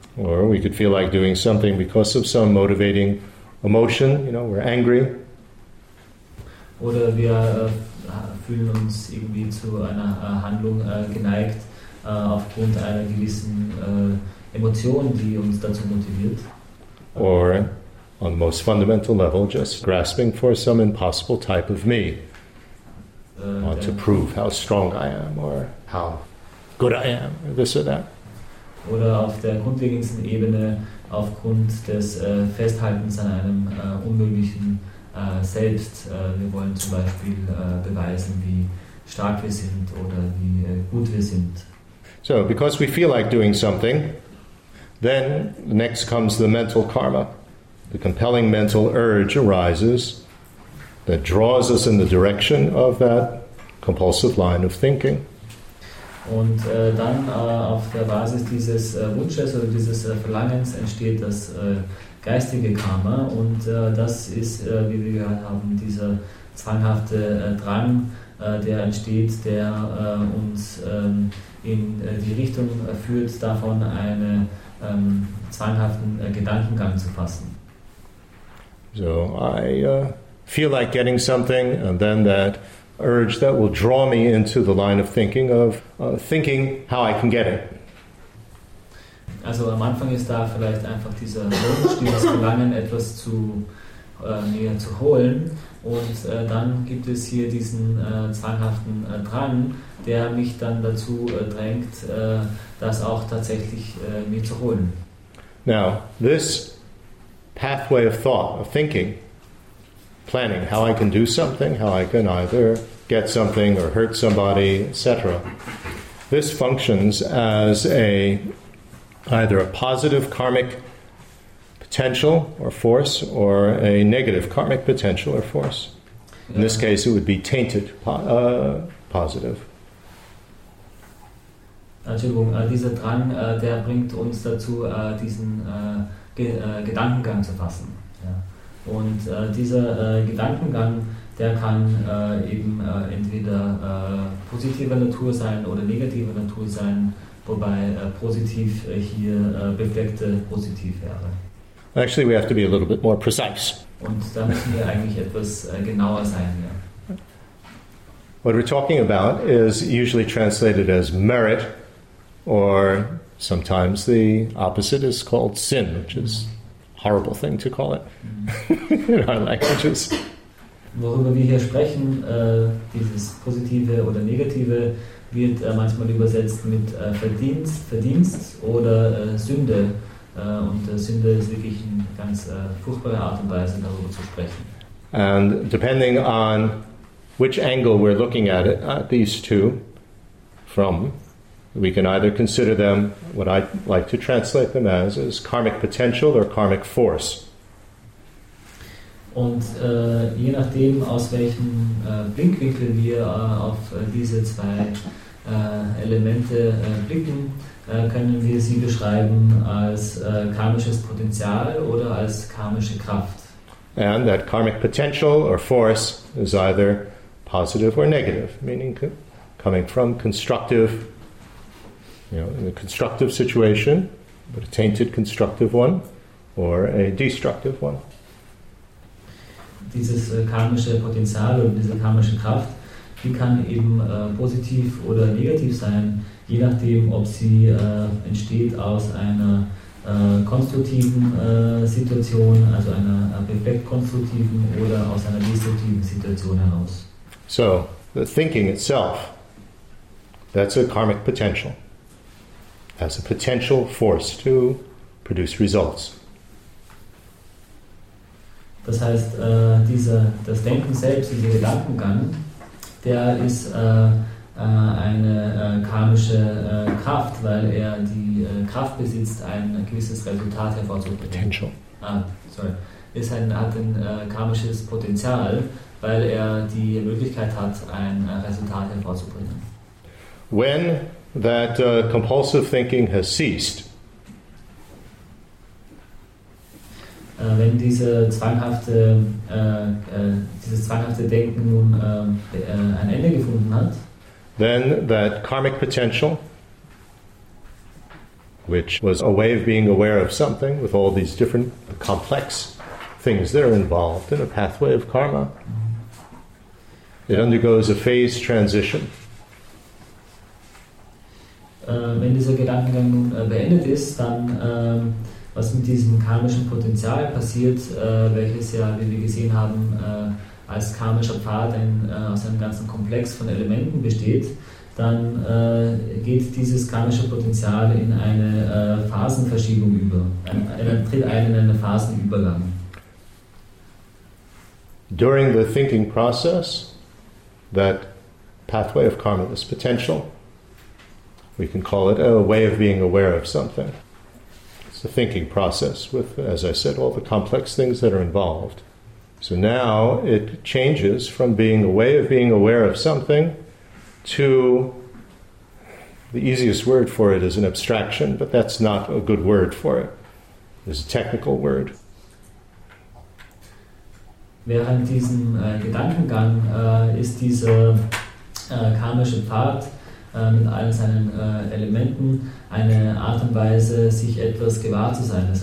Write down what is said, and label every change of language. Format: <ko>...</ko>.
<en>Or we could feel like doing something because of some motivating emotion, you know, we're angry.</en> <de>Oder wir fühlen uns irgendwie zu einer Handlung geneigt aufgrund einer gewissen Emotion, die uns dazu motiviert.</de> <en>Or on the most fundamental level, just grasping for some impossible type of me. Want to prove how strong I am or how good I am or this or that.</en> <de>Oder auf der grundlegendsten Ebene aufgrund des Festhaltens an einem unmöglichen Selbst. Wir wollen zum Beispiel beweisen, wie stark wir sind oder wie gut wir sind.</de> <en>So, because we feel like doing something, then next comes the mental karma. The compelling mental urge arises that draws us in the direction of that compulsive line of thinking.</en> <de>Und dann auf der Basis dieses Wunsches oder dieses Verlangens entsteht das geistige Karma. Und das ist, wie wir gehört haben, dieser zwanghafte Drang, der entsteht, der uns in die Richtung führt, davon einen zwanghaften Gedankengang zu fassen.</de> <en>So, I feel like getting something and then that urge that will draw me into the line of thinking of thinking how I can get it.</en> <de>Also am Anfang ist da vielleicht einfach dieser Wunsch, dieses Verlangen, etwas zu mir zu holen, und dann gibt es hier diesen zwanghaften Drang, der mich dann dazu drängt, das auch tatsächlich mir zu holen.</de> <en>Now this pathway of thought, of thinking, planning how I can do something, how I can either get something or hurt somebody, etc. This functions as either a positive karmic potential or force or a negative karmic potential or force. In this case, it would be tainted positive.</en> <de>Entschuldigung, dieser Drang, der bringt uns dazu, diesen Gedankengang zu fassen. Und dieser Gedankengang, der kann eben entweder positiver Natur sein oder negativer Natur sein, wobei positiv hier befleckte positiv wäre.</de> <en>Actually, we have to be a little bit more precise.</en> <de>Und da müssen wir eigentlich etwas genauer sein, ja.</de> <en>What we're talking about is usually translated as merit, or sometimes the opposite is called sin, which is a horrible thing to call it in our languages.</en> <de>Worüber wir hier sprechen, dieses positive oder negative, wird manchmal übersetzt mit Verdienst oder Sünde. Und Sünde ist wirklich eine ganz furchtbare Art und Weise, darüber zu sprechen.</de> <en>And depending on which angle we're looking at it, at these two from, we can either consider them, what I like to translate them as, is karmic potential or karmic force.</en> <de>Und je nachdem, aus welchem Blickwinkel wir auf diese zwei Elemente blicken, können wir sie beschreiben als karmisches Potenzial oder als karmische Kraft.</de> <en>And that karmic potential or force is either positive or negative, meaning coming from constructive, you know, in a constructive situation, but a tainted constructive one, or a destructive one.</en> <de>Dieses karmische Potenzial oder diese karmische Kraft, die kann eben positiv oder negativ sein, je nachdem, ob sie entsteht aus einer konstruktiven Situation, also einer perfekt konstruktiven oder aus einer destruktiven Situation heraus.</de> <en>So, the thinking itself, that's a karmic potential. That's a potential force to produce results.</en> <de>Das heißt, das Denken selbst, dieser Gedankengang, der ist eine karmische Kraft, weil er die Kraft besitzt, ein gewisses Resultat hervorzubringen.</de> <en>Potential.</en> <de>Hat ein karmisches Potenzial, weil er die Möglichkeit hat, ein Resultat hervorzubringen.</de> <en>When that compulsive thinking has ceased,</en> <de>wenn dieses zwanghafte Denken nun ein Ende gefunden hat,</de> <en>then that karmic potential, which was a way of being aware of something with all these different complex things that are involved in a pathway of karma, it undergoes a phase transition.</en> <de>Wenn dieser Gedankengang nun beendet ist, dann was mit diesem karmischen Potenzial passiert, welches ja, wie wir gesehen haben, als karmischer Pfad aus einem ganzen Komplex von Elementen besteht, dann geht dieses karmische Potenzial in eine Phasenverschiebung über, tritt ein in einen Phasenübergang.</de> <en>During the thinking process, that pathway of karma, this potential, we can call it a way of being aware of something. It's a thinking process with, as I said, all the complex things that are involved. So now it changes from being a way of being aware of something to, the easiest word for it is an abstraction, but that's not a good word for it. It's a technical word.</en> <de>Während diesem Gedankengang ist dieser karmische Pfad mit all seinen Elementen eine Art und Weise, sich etwas gewahr zu sein.</de>